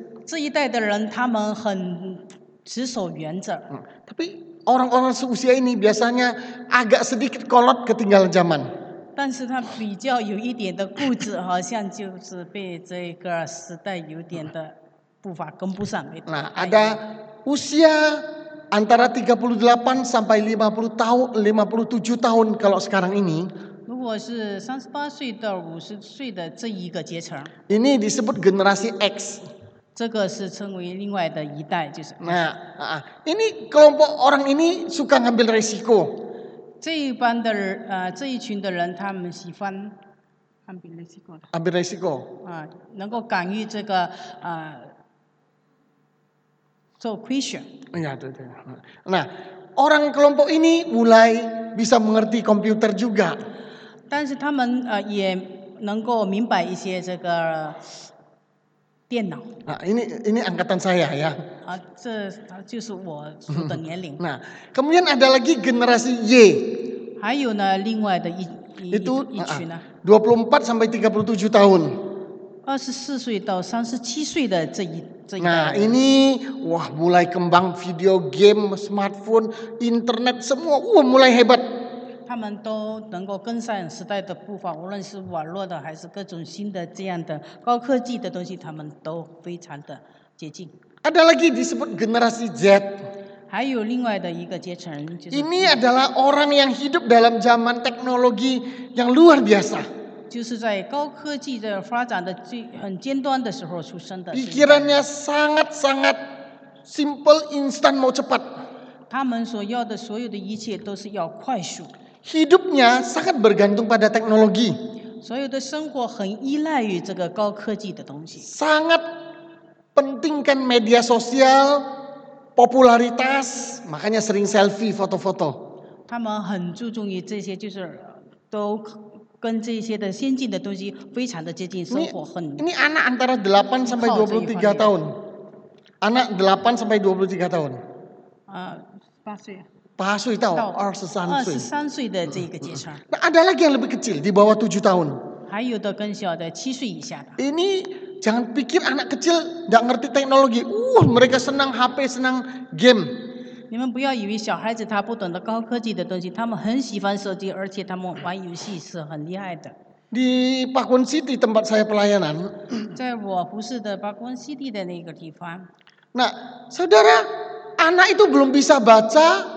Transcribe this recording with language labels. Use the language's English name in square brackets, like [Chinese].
[Chinese] 这一代的人，他们很持守原则。 [Indonesian] Tapi orang-orang seusia ini biasanya agak sedikit kolot ketinggalan zaman. [Chinese] 但是他比较有一点的固执，好像就是被这个时代有点的步伐跟不上。 [Indonesian] Nah, ada usia antara 38 sampai 50 tahun, 57 tahun kalau sekarang ini. [Chinese] 如果是38岁到50岁的这一个阶层， [Indonesian] ini disebut generasi X， [Chinese] 这个是称为另外的一代，就是。 [Indonesian] Nah, ini kelompok orang ini suka ngambil resiko。 [Chinese] 这一班的这一群的人，他们喜欢 [Indonesian] ambil resiko。 [Chinese] 能够敢于这个做亏损。 [Indonesian] Ya, betul betul. Nah, orang kelompok ini mulai bisa mengerti komputer juga。 [Chinese] 但是他们也能够明白一些这个电脑。 [Indonesian] Ini angkatan saya ya. [Chinese] 这就是我的年龄。 [Indonesian] Nah, kemudian ada lagi generasi Y. [Chinese] 还有呢，另外的一群呢。 [Indonesian] 24 sampai 37 tahun. [Chinese] 24岁到37岁的这一代。 [Indonesian] Nah, ini wah mulai kembang video game, smartphone, internet semua, mulai hebat. [Chinese] 他们都能够跟上时代的步伐，无论是网络的还是各种新的这样的高科技的东西，他们都非常的接近。 [Indonesian] Ada lagi disebut generasi Z. [Chinese] 还有另外的一个阶层。 [Indonesian] Ini adalah orang yang hidup dalam zaman teknologi yang luar biasa. [Chinese] 就是在高科技的发展的很尖端的时候出生的。 [Indonesian] Pikirannya sangat sangat simple, instan, mau cepat. [Chinese] 他们所要的所有的一切都是要快速。 [Indonesian] Hidupnya sangat bergantung pada teknologi. [Chinese] 所有的生活很依赖于这个高科技的东西。 [Indonesian] Sangat pentingkan media sosial, popularitas, makanya sering selfie, foto-foto. [Chinese] 他们很注重于这些，就是都跟这些的先进的东西非常的接近，生活很。 [Indonesian] Ini anak antara 8 sampai 23 tahun. Anak 8 sampai 23 tahun. [Chinese] 八岁。八岁到二十三岁，二十三岁的这个阶层。 [Indonesian] 那ada lagi yang lebih kecil di bawah 7 tahun。 [Chinese] 还有的更小的，七岁以下的。 [Indonesian] Ini jangan pikir anak kecil tidak ngerti teknologi. Mereka senang HP, senang game. [Chinese] 你们不要以为小孩子他不懂得高科技的东西，他们很喜欢手机，而且他们玩游戏是很厉害的。 [Indonesian] Di Pakuan City tempat saya pelayanan。 [Chinese] 在我服侍的 Pakuan City 的那个地方。 [Indonesian] Nah, saudara, anak itu belum bisa baca。